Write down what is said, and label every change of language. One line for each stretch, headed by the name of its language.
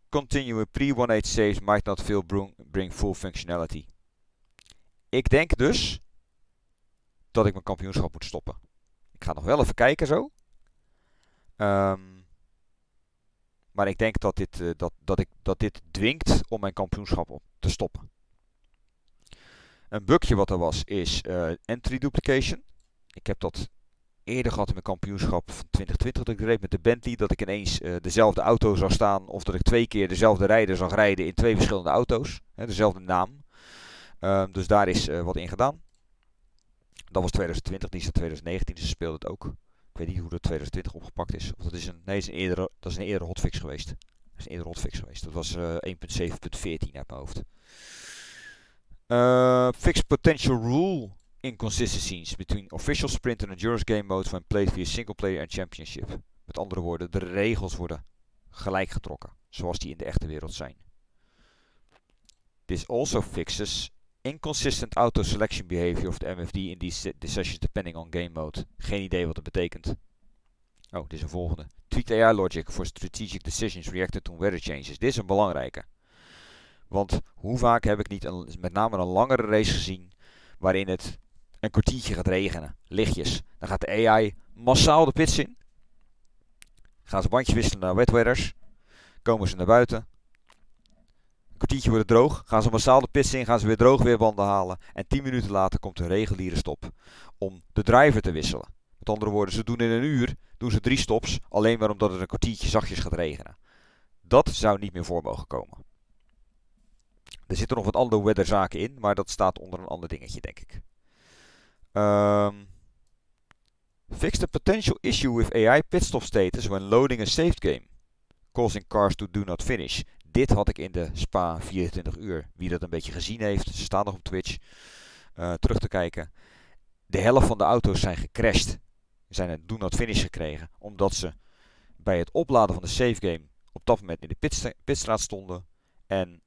English: Continue pre-18 saves might not feel bring full functionality.
Dutch: Ik denk dus dat ik mijn kampioenschap moet stoppen. Ik ga nog wel even kijken zo. Maar ik denk dat dit dwingt om mijn kampioenschap te stoppen. Een bugje wat er was is entry duplication. Ik heb dat eerder gehad in mijn kampioenschap van 2020 dat ik reed met de Bentley. Dat ik ineens dezelfde auto zag staan. Of dat ik twee keer dezelfde rijder zag rijden in twee verschillende auto's. Dezelfde naam. Dus daar is wat in gedaan. Dat was 2020, niet zo 2019, ze speelde het ook. Ik weet niet hoe dat 2020 opgepakt is. Of dat is een, nee, is een eerdere, dat is een eerdere hotfix geweest. Dat is een eerdere hotfix geweest. Dat was 1.7.14 uit mijn hoofd.
English: Fixed potential rule inconsistencies between official sprint and endurance game modes when played via single player and championship.
Dutch: Met andere woorden, de regels worden gelijk getrokken, zoals die in de echte wereld zijn.
English: This also fixes inconsistent auto selection behavior of the MFD in these decisions depending on game mode.
Dutch: Geen idee wat dat betekent. Oh, dit is een volgende.
English: Tweaked AI logic for strategic decisions reacting to weather changes.
Dutch: Dit is een belangrijke. Want hoe vaak heb ik niet een, met name een langere race gezien waarin het een kwartiertje gaat regenen. Lichtjes. Dan gaat de AI massaal de pits in. Gaan ze bandje wisselen naar wet weathers. Komen ze naar buiten. Een kwartiertje wordt het droog. Gaan ze massaal de pits in. Gaan ze weer droog weer banden halen. En 10 minuten later komt de reguliere stop. Om de driver te wisselen. Met andere woorden, ze doen in een uur doen ze 3 stops. Alleen maar omdat het een kwartiertje zachtjes gaat regenen. Dat zou niet meer voor mogen komen. Er zitten nog wat andere weatherzaken in, maar dat staat onder een ander dingetje, denk ik.
English: Fix the potential issue with AI pitstop status when loading a saved game, causing cars to do not finish.
Dutch: Dit had ik in de Spa 24 uur. Wie dat een beetje gezien heeft, ze staan nog op Twitch, terug te kijken. De helft van de auto's zijn gecrashed, zijn een do not finish gekregen, omdat ze bij het opladen van de saved game op dat moment in de pitstraat stonden en...